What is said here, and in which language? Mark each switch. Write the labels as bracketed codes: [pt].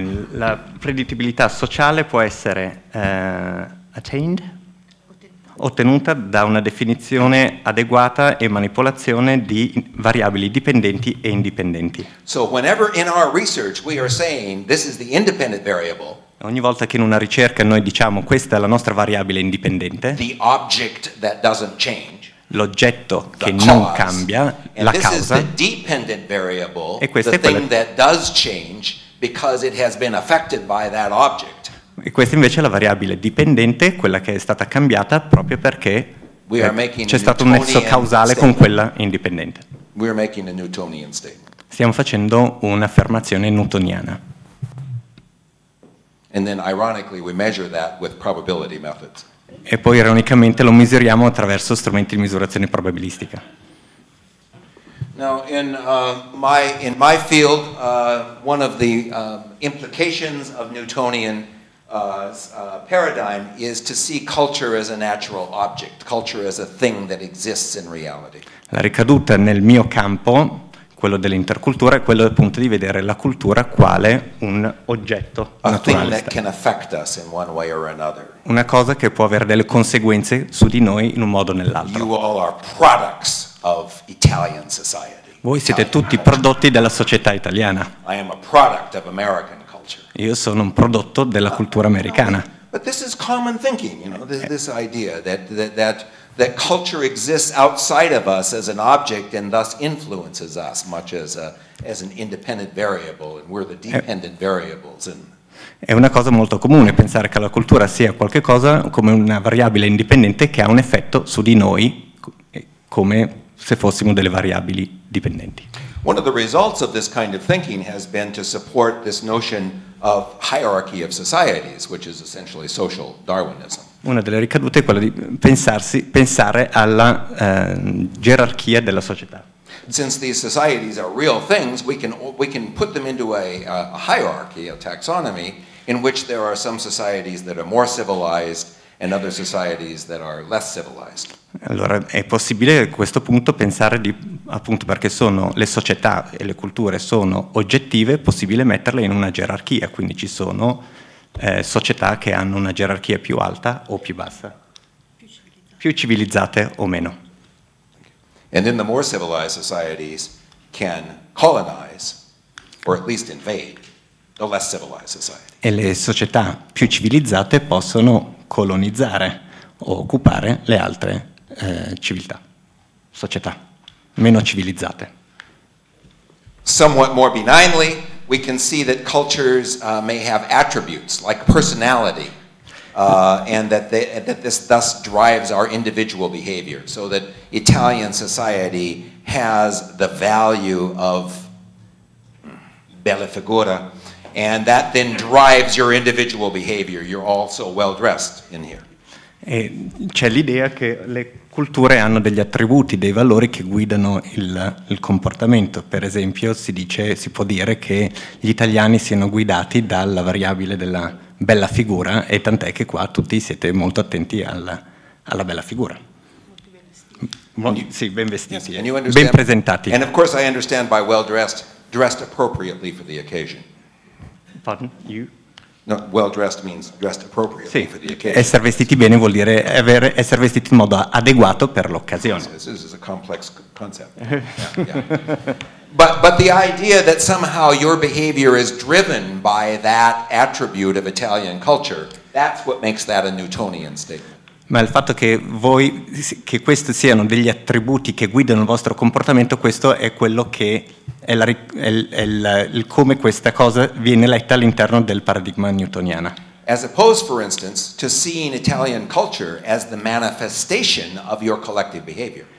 [it] La predittibilità sociale può essere [en] attained, [it] ottenuta da una definizione adeguata e manipolazione di variabili dipendenti e indipendenti. [en] So whenever in our research we are saying this is the independent variable, [it] ogni volta che in una ricerca noi diciamo questa è la nostra variabile indipendente, [en] the object that doesn't change, [it] l'oggetto che non cambia, [en] and [it] la [en] this [it] causa, [en] is the dependent variable, [it] e questa [en] the [it] è quella [en] thing that does change because it has been affected by that object. [it] E questa invece è la variabile dipendente, quella che è stata cambiata proprio perché c'è stato un nesso causale con quella indipendente. [en] We are making a Newtonian statement. [it] Stiamo facendo un'affermazione newtoniana. [en] And then ironically we measure that with probability methods. [it] E poi ironicamente lo misuriamo attraverso strumenti di misurazione probabilistica. [en] Now, in my field, one of the implications of Newtonian paradigm is to see culture as a natural object, culture as a thing that exists in reality. [it] La ricaduta nel mio campo, quello dell'intercultura, è quello appunto di vedere la cultura quale un oggetto naturale. [en] A thing that can affect us in one way or another. [it] Una cosa che può avere delle conseguenze su di noi in un modo o nell'altro. [en] You all are products of Italian society. [it] Voi siete tutti prodotti della società italiana. [en] I am a product of American. [it] Io sono un prodotto della cultura americana. [en] But this is common thinking, you know, this idea that culture exists outside of us as an object and thus influences us much as an independent variable, and we're the dependent variables. [it] È una cosa molto comune pensare che la cultura sia qualcosa come una variabile indipendente che ha un effetto su di noi come se fossimo delle variabili dipendenti. [en] One of the results of this kind of thinking has been to support this notion of hierarchy of societies, which is essentially social Darwinism. [it] Una delle ricadute è quella di pensare alla gerarchia della società. [en] Since these societies are real things, we can put them into a hierarchy, a taxonomy, in which there are some societies that are more civilized and other societies that are less civilized. [it] Allora, è possibile a questo punto pensare di, appunto perché sono le società e le culture sono oggettive, è possibile metterle in una gerarchia, quindi ci sono società che hanno una gerarchia più alta o più bassa, più civilizzate o meno. [en] And then the more civilized societies can colonize, or at least invade, the less civilized society. [it] E le società più civilizzate possono colonizzare o occupare le altre civiltà, società meno civilizzate. [en] Somewhat more benignly, we can see that cultures may have attributes like personality, and that this thus drives our individual behavior. So that Italian society has the value of bella figura, and that then drives your individual behavior. You're all so well dressed in here. [it] E c'è l'idea che le culture hanno degli attributi, dei valori che guidano il comportamento. Per esempio, si può dire che gli italiani siano guidati dalla variabile della bella figura, e tant'è che qua tutti siete molto attenti alla bella figura. Sì, ben vestiti, ben presentati. [en] And of course I understand by well dressed, dressed appropriately for the occasion. Pardon, you? No, well dressed means dressed appropriately, [it] sì, [en] for the occasion. [it] Essere vestiti bene vuol dire essere vestiti in modo adeguato per l'occasione. [en] This is a complex concept. Yeah. But the idea that somehow your behavior is driven by that attribute of Italian culture, that's what makes that a Newtonian statement. [it] Ma il fatto che voi, che questi siano degli attributi che guidano il vostro comportamento, questo è quello che è il come questa cosa viene letta all'interno del paradigma newtoniano. [en] As opposed, for instance, to seeing Italian culture as the manifestation of your collective behavior.